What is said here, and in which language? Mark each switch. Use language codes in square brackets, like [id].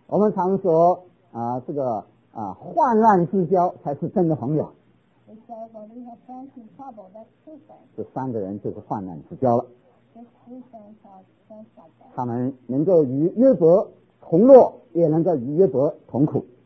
[zh] 我们常说这个患难之交才是真的朋友。 [en] They say when we have friends in trouble, that's true friends. [zh] 这三个人就是患难之交了。 [en] These three friends are friends like that. [zh] 他们能够与约伯同乐，也能够与约伯同苦。